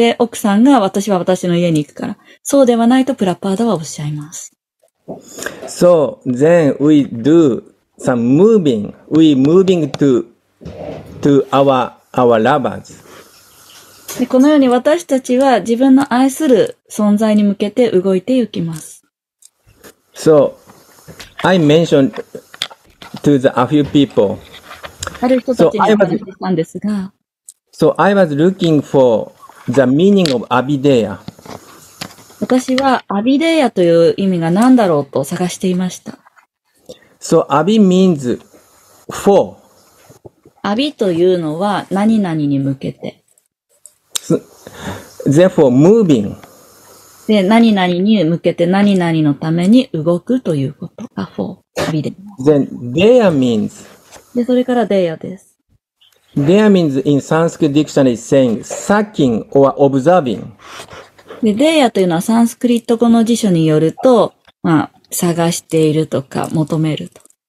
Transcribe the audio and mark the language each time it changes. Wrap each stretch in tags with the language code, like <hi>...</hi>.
<ja>で、奥さんが私は私の家に行くから。そうではないとプラパーダはおっしゃいます。</ja> <en>So, then we do some moving. We moving to our lovers.</en> <ja>で、このように私たちは自分の愛する存在に向けて動いていきます。</ja> <en>So, I mentioned to the a few people.</en> <ja>ある人たちに話したんですが、</ja> <en>So I was looking for the meaning of Abideya.</en> <ja>私は Abideya という意味が何だろうと探していました。</ja> <en>So Abi means for.</en> <ja>Abi というのは何々に向けて。</ja> <en>So, therefore moving.</en> <ja>で、何々に向けて何々のために動くということが for Abideya。</ja> <en>Then Deya means.</en> <ja>で、それから Deya です。</ja> <en>There means in Sanskrit dictionary saying sucking or observing.</en> <ja>で、Deya というのはサンスクリット語の辞書によると、まあ、探しているとか求めると。</ja>